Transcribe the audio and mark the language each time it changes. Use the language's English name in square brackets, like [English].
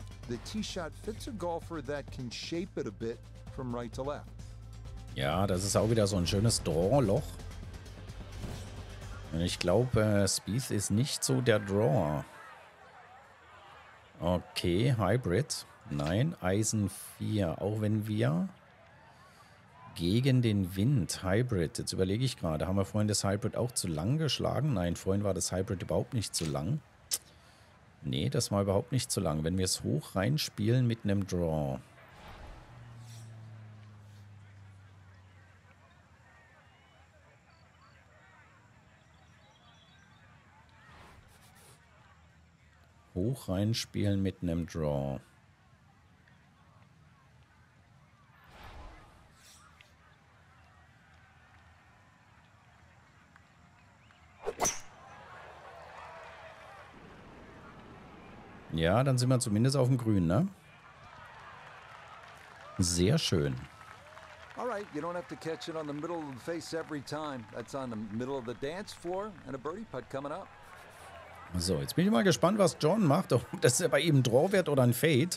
[English] The tee shot fits a golfer that can shape it a bit from right to left. [German] Ja, das ist auch wieder so ein schönes Draw-Loch. Und ich glaube, Spieth ist nicht so der Drawer. Okay, Hybrid. Nein, Eisen 4. Auch wenn wir gegen den Wind Hybrid. Jetzt überlege ich gerade, haben wir vorhin das Hybrid auch zu lang geschlagen? Nein, vorhin war das Hybrid überhaupt nicht zu lang. Nee, das war überhaupt nicht zu lang. Wenn wir es hoch reinspielen mit einem Draw. Hoch reinspielen mit einem Draw. Ja, dann sind wir zumindest auf dem Grün, ne? Sehr schön. [English] All right, you don't have to catch it on the middle of the face every time. That's on the middle of the dance floor and a birdie putt coming up. [German] So, jetzt bin ich mal gespannt, was John macht. Ob das bei ihm ein Draw wird oder ein Fade.